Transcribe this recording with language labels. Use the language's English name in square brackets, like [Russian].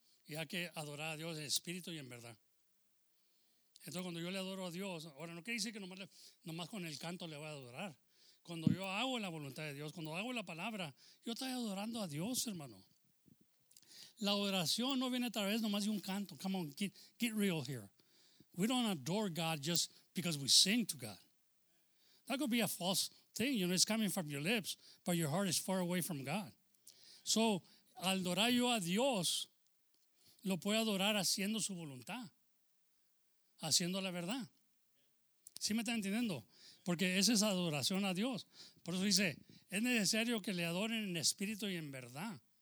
[Spanish] Y hay que adorar a Dios en espíritu y en verdad. Entonces cuando yo le adoro a Dios, ahora no quiere decir que nomás con el canto le voy a adorar. Cuando yo hago la voluntad de Dios, cuando hago la palabra, yo estoy adorando a Dios, hermano. La adoración no viene a través nomás de un canto. [English] Come on, get real here. We don't adore God just because we sing to God. That could be a false thing. You know, it's coming from your lips, but your heart is far away from God. [Spanish] So, al adorar yo a Dios, lo puedo adorar haciendo su voluntad, haciendo la verdad. ¿Sí me están entendiendo? Porque esa es adoración a Dios. Por eso dice, es necesario que le adoren en espíritu y en verdad.